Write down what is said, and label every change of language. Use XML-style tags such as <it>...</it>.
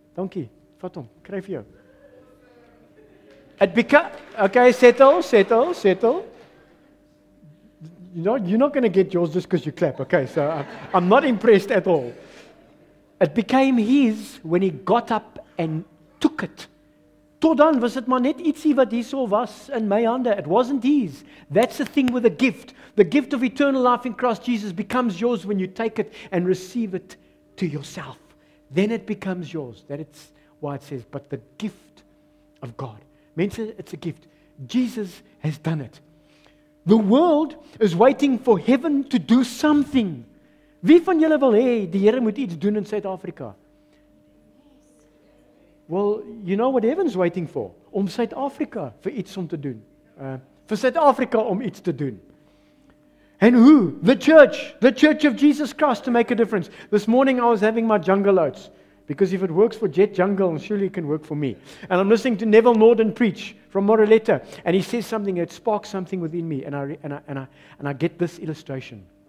<af>Donkie, vat hom, kry vir jou.</af> <en>It become, okay, settle. You're not going to get yours just because you clap. Okay, so I'm not impressed at all. It became his when he got up and took it.</en> <af>Tot dan was het maar net ietsie wat hier so was in my hande.</af> <en>It wasn't his. That's the thing with a gift. The gift of eternal life in Christ Jesus becomes yours when you take it and receive it to yourself. Then it becomes yours. That is why it says, but the gift of God. Mense, it's a gift. Jesus has done it. The world is waiting for heaven to do something.</en> <af>Wie van julle wil hê die Here moet iets doen in Suid-Afrika?</af> <en>Well, you know what heaven's waiting for?</en> <af>Om Suid-Afrika vir iets om te doen. Vir Suid-Afrika om iets te doen.</af> <en>And who? The church of Jesus Christ to make a difference. This morning I was having my jungle oats because if it works for Jet Jungle, surely it can work for me. And I'm listening to Neville Norden preach from Moreleta, and he says something that sparks something within me, and I get this illustration.</en>